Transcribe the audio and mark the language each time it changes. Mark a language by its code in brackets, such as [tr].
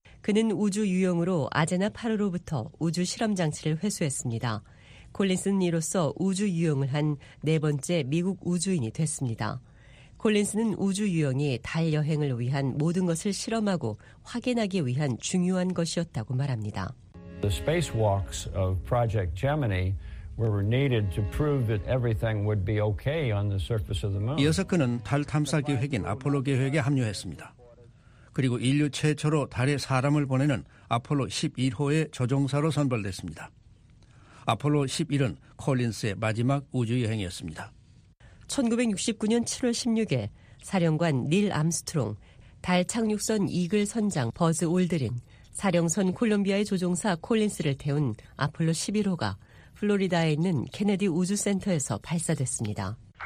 [ko] 그는 우주 유형으로 아제나 8호로부터 우주 실험 장치를 회수했습니다. 콜린스는 이로써 우주 유형을 한 네 번째 미국 우주인이 됐습니다. 콜린스는 우주 유형이 달 여행을 위한 모든 것을 실험하고 확인하기 위한 중요한 것이었다고 말합니다. [en] The spacewalks of Project Gemini were needed to prove that everything would be okay on the surface of the moon. [ko] 이어서 그는 달 탐사 계획인 아폴로 계획에 합류했습니다. 그리고 인류 최초로 달에 사람을 보내는 아폴로 11호의 조종사로 선발됐습니다. 아폴로 11은 콜린스의 마지막 우주 여행이었습니다. 1969년 7월 16일 사령관 닐 암스트롱, 달 착륙선 이글 선장 버즈 올드린, 사령선 콜롬비아의 조종사 콜린스를 태운 아폴로 11호가 플로리다에 있는 케네디 우주센터에서 발사됐습니다.